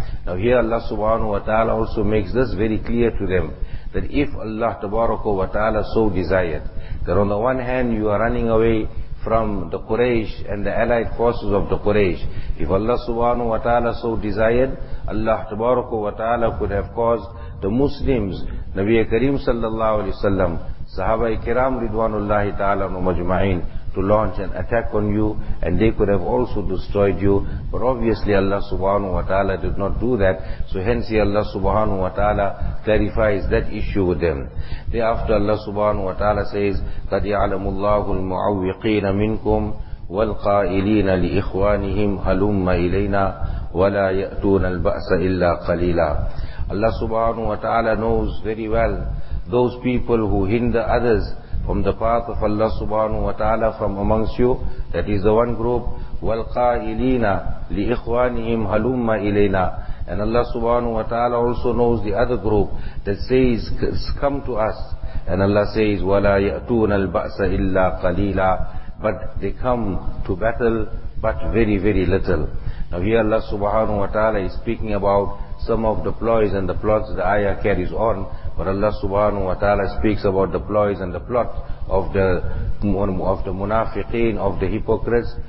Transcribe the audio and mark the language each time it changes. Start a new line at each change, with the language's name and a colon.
English: Now here Allah subhanahu wa ta'ala also makes this very clear to them, that if Allah tabarakah wa ta'ala so desired, that on the one hand you are running away from the Quraysh and the allied forces of the Quraysh, if Allah subhanahu wa ta'ala so desired, Allah tabarakah wa ta'ala could have caused the Muslims, Nabi Kareem sallallahu alayhi wa sallam, Sahaba ikram ridwanullahi ta'ala wa majma'in, to launch an attack on you, and they could have also destroyed you. But obviously Allah subhanahu wa ta'ala did not do that. So hence here Allah subhanahu wa ta'ala clarifies that issue with them. Thereafter Allah subhanahu wa ta'ala says,
Arabic: قَدْ يَعْلَمُ اللَّهُ الْمُعَوِّقِينَ مِنْكُمْ وَالْقَائِلِينَ لِإِخْوَانِهِمْ هَلُمَّ إِلَيْنَا وَلَا يَأْتُونَ الْبَأْسَ إِلَّا قَلِيلًا.
English: Allah subhanahu wa ta'ala knows very well those people who hinder others from the path of Allah subhanahu wa ta'ala from amongst you. That is the one group.
Arabic: وَالْقَائِلِينَ لِإِخْوَانِهِمْ هَلُمَّ إِلَيْنَا.
English: And Allah subhanahu wa ta'ala also knows the other group that says, come to us. And Allah says,
Arabic: وَلَا يَأْتُونَ الْبَأْسَ إِلَّا قَلِيلًا.
English: But they come to battle, but very, very little. Now here Allah subhanahu wa ta'ala is speaking about some of the ploys and the plots the ayah carries on. But Allah subhanahu wa ta'ala speaks about the ploys and the plot of the munafiqeen, of the hypocrites.